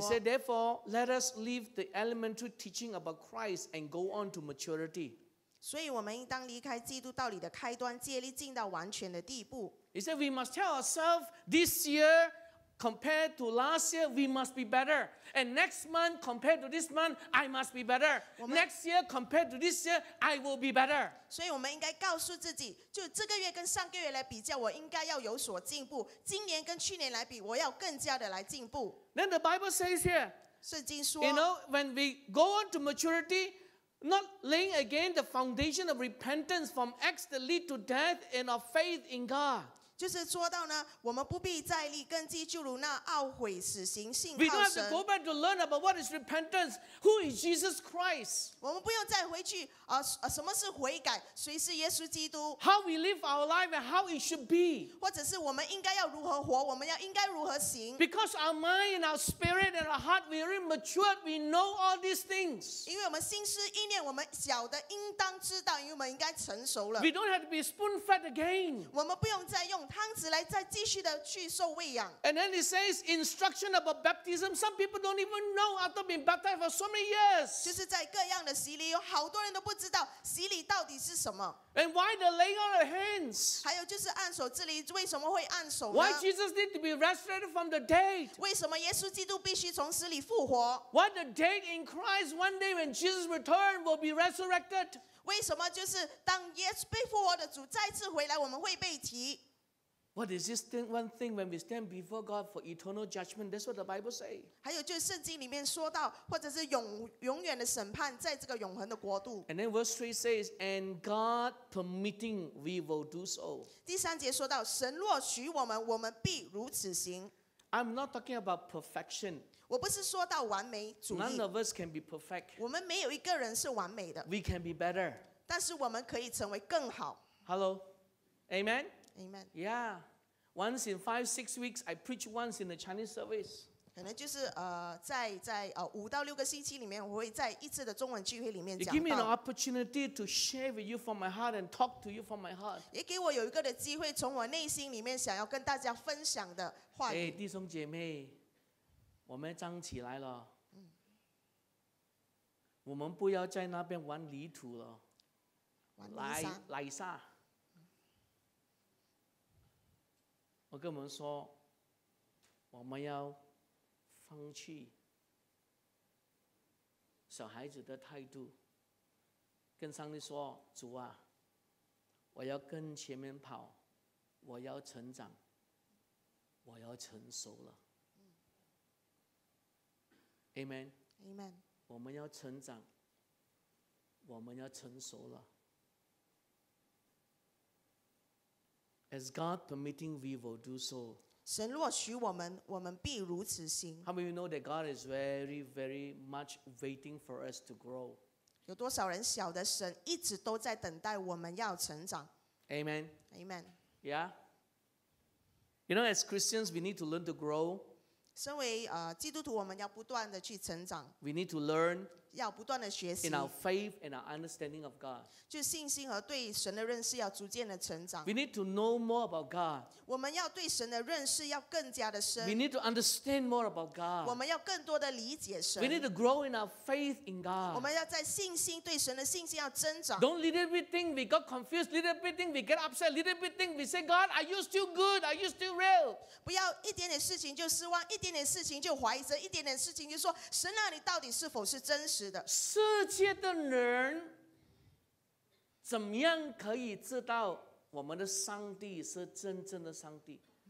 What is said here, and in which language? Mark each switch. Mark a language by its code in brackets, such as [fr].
[en] It said, therefore, let us leave the elementary teaching about Christ and go on to maturity. [zh] 所以我们应当离开基督道理的开端，竭力进到完全的地步。 [en] He said, we must tell ourselves this year compared to last year, we must be better. And next month compared to this month, I must be better. Next year compared to this year, I will be better. [zh] 所以我们应该告诉自己，就这个月跟上个月来比较，我应该要有所进步。今年跟去年来比，我要更加的来进步。 [en] Then the Bible says here, [zh] 圣经说， [en] you know, when we go on to maturity,Not laying again the foundation of repentance from acts that lead to death and of faith in God. [zh] 就是说到呢，我们不必再立根基，就如那懊悔、死刑、信靠 [en] 神。We don't have to go back to learn about what is repentance. Who is Jesus Christ? [zh] 我们不用再回去什么是悔改？谁是耶稣基督 [en] ？How we live our life and how it should be. [zh] 或者是我们应该要如何活？我们要应该如何行 [en] ？Because our mind and our spirit and our heart we are matured. We know all these things. [zh] 因为我们心思意念，我们晓得应当知道，因为我们应该成熟了。 [en] We don't have to be spoon-fed again. [zh] 我们不用再用汤匙来再继续的去受喂养。 [en] And then it says instruction about baptism. Some people don't even know after being baptized for so many years. [zh] 就是在各样的洗礼，有好多人都不。知道洗礼到底是什么 [en] ？And why the laying on of hands？ [zh] 还有就是按手，这里为什么会按手呢 [en] ？Why Jesus need to be resurrected from the dead？ [zh] 为什么耶稣基督必须从死里复活 [en] ？Why the dead in Christ one day when Jesus return will be resurrected？ [zh] 为什么就是当耶稣被复活的主再次回来，我们会被提 [en] ？What is this thing, one thing when we stand before God for eternal judgment？ That's what the Bible say。 [zh] 还有就是圣经里面说到，或者是永远的审判，在这个永恒的国度。 [en] And then verse 3 says, and God permitting, we will do so. [zh] 第三节说到，神若许我们，我们必如此行。 [en] I'm not talking about perfection. [zh] 我不是说到完美主义。 [en] None of us can be perfect. [zh] 我们没有一个人是完美的。 [en] We can be better. [zh] 但是我们可以成为更好。 [en] Hello, Amen. Amen. Yeah, once in 5-6 weeks, I preach once in the Chinese service. [zh] 可能就是五到六个星期里面，我会在一次的中文聚会里面讲 [en] It gives me an opportunity to share with you from my heart and talk to you from my heart. [zh] 也给我有一个的机会，从我内心里面想要跟大家分享的话语。哎，弟兄姐妹，我们站起来了。我们不要在那边玩泥土了，玩泥沙。我跟我们说，我们要放弃小孩子的态度，跟上帝说，主啊，我要跟前面跑，我要成长，我要成熟了。 [en] Amen. [zh] 我们要成长，我们要成熟了。 [en] As God permitting, we will do so. [zh] 神若许我们，我们必如此行。 [en] How many of you know that God is very, very much waiting for us to grow? [zh] 有多少人晓得神一直都在等待我们要成长？ [en] Amen. Amen. Yeah. You know, as Christians, we need to learn to grow. [zh] 身为基督徒，我们要不断的去成长。 [en] We need to learn. [zh] 要不断的学习。 [en] In our faith and our understanding of God. [zh] 就信心和对神的认识要逐渐的成长。 [en] We need to know more about God. [zh] 我们要对神的认识要更加的深。 [en] We need to understand more about God. [zh] 我们要更多的理解神。 [en] We need to grow in our faith in God. [zh] 我们要在信心对神的信心要增长。 [en] Don't little bit think we got confused, little bit think we get upset, little bit think we say, God, are you still good? Are you still real? [zh] 不要一点点事情就失望，一点点事情就怀疑，一点点事情就说，神啊，你到底是否是真实的？世界的人怎么样可以知道我们的上帝是真正的上帝？